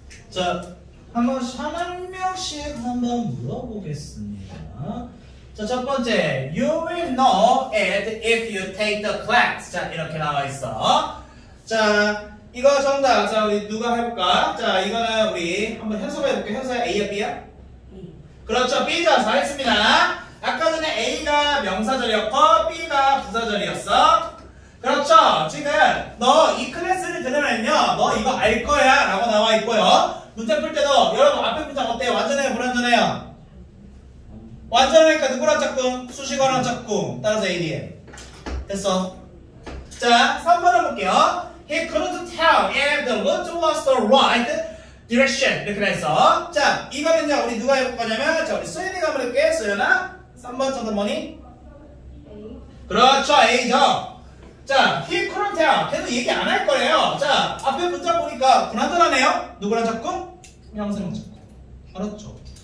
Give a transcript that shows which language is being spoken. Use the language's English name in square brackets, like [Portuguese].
[Korean] 자, 한 명씩 한번 물어보겠습니다. 자, 첫 번째. [English] You will know it if you take the class. [Korean] 자, 이렇게 나와 있어. 자, 이거 정답. 자, 우리 누가 해볼까? 자, 이거는 우리 한번 현서가 해볼게. 현서야, A야 B야? 그렇죠. B죠. 잘했습니다. 아까 전에 A가 명사절이었고, B가 부사절이었어. 그렇죠. 지금 너 이 클래스를 들으면요, 너 이거 알 거야 라고 나와 있고요. 문제 풀 때도 여러분 앞에 문장 어때요? 완전해요? 불완전해요? 완전하니까 누구랑 짝꿍? 수식어랑 짝꿍. 따라서 A, D, M. 됐어. 자, 3번 해볼게요. [English] He couldn't tell if the route was the right direction. [Korean] 이렇게 됐어. 자, 이거는요, 우리 누가 해볼 거냐면, 자, 우리 수연이가 해볼게. 수연아. 3번 정도 뭐니? A. 그렇죠, A죠. 자, [English] he couldn't tell. [Korean] 계속 얘기 안 할 거예요. 자, 앞에 문장 보니까 불완전하네요. 누구랑 짝꿍? 형생 짝꿍. 알았죠?